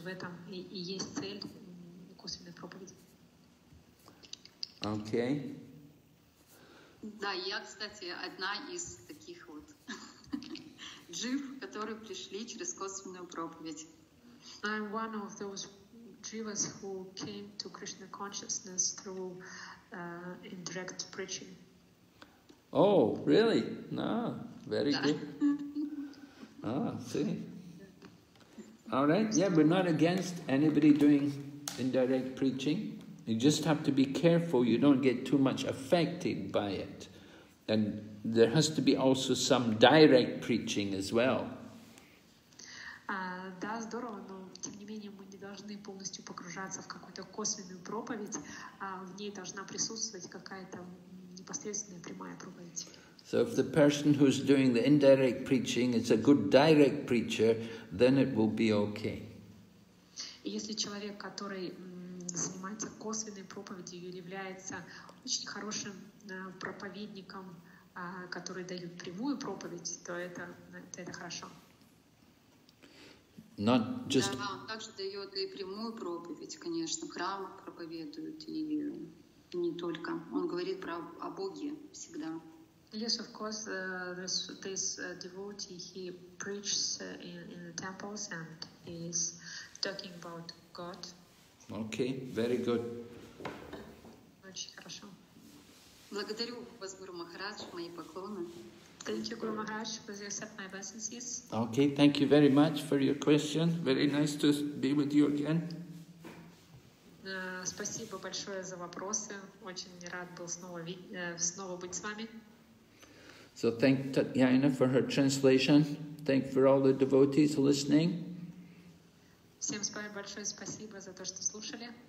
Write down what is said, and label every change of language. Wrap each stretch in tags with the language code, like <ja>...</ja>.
<ru>В этом и есть цель косвенной проповеди. Окей. Да, я, кстати, одна из таких вот джив, которые пришли через косвенную проповедь.</ru> <en>I'm one of those jivas who came to Krishna consciousness through indirect preaching. Oh, really? No, very good. Ah, see. All right. Yeah, we're not against anybody doing indirect preaching. You just have to be careful you don't get too much affected by it. And there has to be also some direct preaching as well.</en> <ru>Да, здорово, но тем не менее мы не должны полностью погружаться в какую-то косвенную проповедь, а в ней должна присутствовать какая-то непосредственная прямая проповедь.</ru> <en>So if the person who's doing the indirect preaching is a good direct preacher, then it will be okay.</en> <ru>Если человек, который занимается косвенной проповедью, является очень хорошим проповедником, который дает прямую проповедь, то это хорошо.</ru> <en>Not just...</en> <ru>Да, он также дает и прямую проповедь, конечно, в храмах проповедует, и не только. Он говорит о Боге всегда.</ru> <en>Yes, of course, this devotee, he preaches in the temples and is talking about God. Okay, very good.</en> <ru>Очень хорошо. Благодарю вас, Гуру Махарадж, мои поклоны.</ru> <en>Thank you, Guru Maharaj, for you accept my blessings, yes. Okay, thank you very much for your question. Very nice to be with you again.</en> <ru>Спасибо большое за вопросы. Очень рад был снова быть с вами.</ru> <en>So thank Tatyana for her translation. Thank for all the devotees listening.</en> <ru>Всем большое спасибо за то, что слушали.</ru>